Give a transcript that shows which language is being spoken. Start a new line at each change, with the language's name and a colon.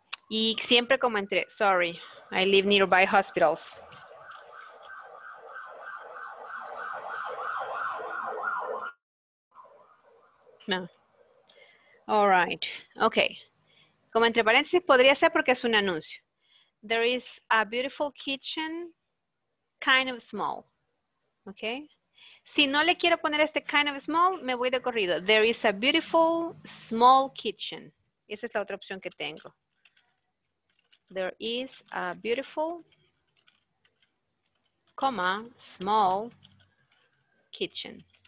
Spanish: Y siempre como entre,
English: sorry, I live nearby hospitals. No. All right. Okay.
Spanish: Como entre paréntesis, podría ser porque es un anuncio.
English: There is a beautiful kitchen, kind of small. Okay.
Spanish: Si no le quiero poner este
English: kind of small,
Spanish: me voy de corrido.
English: There is a beautiful small kitchen.
Spanish: Esa es la otra opción que tengo.
English: There is a beautiful, comma, small kitchen.